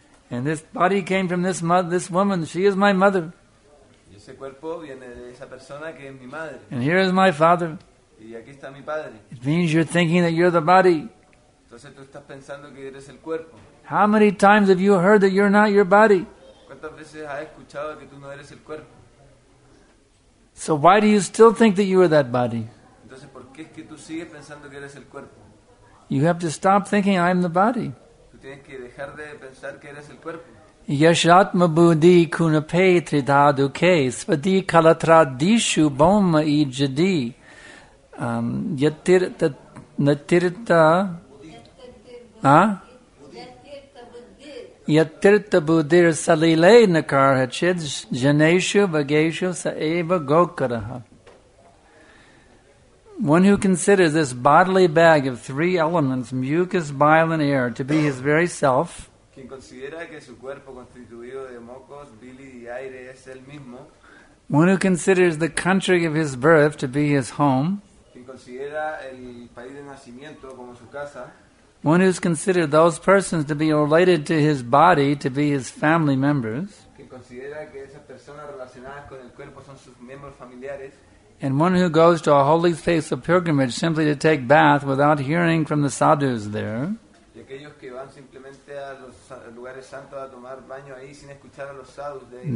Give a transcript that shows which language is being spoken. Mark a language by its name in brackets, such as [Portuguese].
[English] And this body came from this this woman. She is my mother. [Spanish] Y ese cuerpo viene de esa persona que es mi madre. [English] And here is my father. [Spanish] Y aquí está mi padre. [English] It means you're thinking that you're the body. [Spanish] Entonces tú estás pensando que eres el cuerpo. [English] How many times have you heard that you're not your body? [Spanish] ¿Cuántas veces has escuchado que tú no eres el cuerpo? [English] So why do you still think that you are that body? [Spanish] Entonces, ¿por qué es que tú sigues pensando que eres el cuerpo? [English] You have to stop thinking I'm the body. [Spanish] Tú tienes que dejar de pensar que eres el cuerpo. [Sanskrit] Yashatma buddhi kunape tridaduke svadhi kalatra dishu boma I jadi yatirta natirta Yatirta buddhir salile nakarhachid janeshu vageshu saeva gokaraha. [English] One who considers this bodily bag of three elements, mucus, bile, and air, to be his very self, [Spanish] quien considera que su cuerpo constituido de mocos, bile y aire es el mismo, [English] one who considers the country of his birth to be his home, [Spanish] quien considera el país de nacimiento como su casa, [English] one who's considered those persons to be related to his body, to be his family members, [Spanish] quien considera que esas personas relacionadas con el cuerpo son sus miembros familiares, [English] and one who goes to a holy place of pilgrimage simply to take bath without hearing from the sadhus there, [Spanish] y aquellos que van simplemente a los lugares santos a tomar baño ahí sin escuchar a los sadhus de ahí,